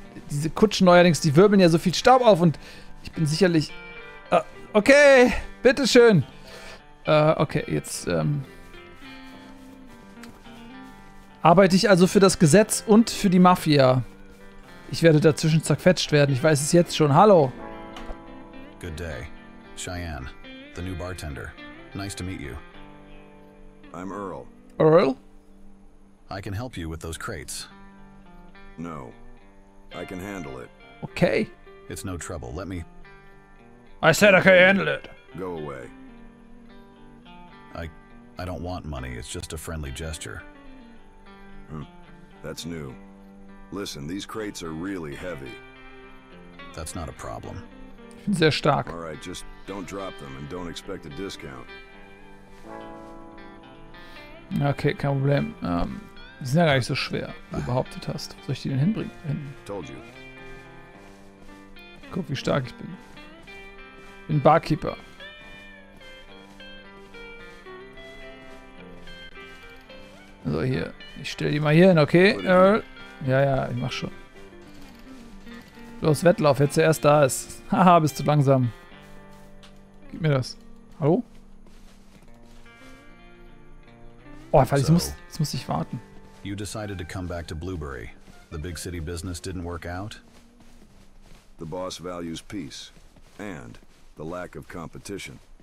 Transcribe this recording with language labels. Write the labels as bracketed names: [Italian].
[German] Diese Kutschen neuerdings, die wirbeln ja so viel Staub auf und ich bin sicherlich... okay, bitteschön. Arbeite ich also für das Gesetz und für die Mafia. Ich werde dazwischen zerquetscht werden. Ich weiß es jetzt schon. Hallo. [English] Good day, Cheyenne. The new bartender. Nice to meet you. I'm Earl. Earl? I can help you with those crates. No, I can handle it. Okay. It's no trouble. Let me... I said I can handle it. Go away. I don't want money. It's just a friendly gesture. That's new. Listen, these crates are really heavy. That's not a problem. [German] Sehr stark. [English] All right, just don't drop them and don't expect a discount. [German] Okay, kein Problem. Die sind ja gar nicht so schwer, wie du behauptet hast. Wo soll ich die denn hinbringen? [English] Told you. [German] Guck, wie stark ich bin. Ich bin Barkeeper. So, hier. Ich stelle die mal hier hin, okay? Earl. Ja, ja, ich mach schon. Los, Wettlauf, jetzt zuerst da ist. Haha, bist du langsam. Gib mir das. Hallo? Oh, Alter, jetzt muss ich warten. [English] You decided to come back to Blueberry. The big city business didn't work out? The boss values peace and the lack of competition.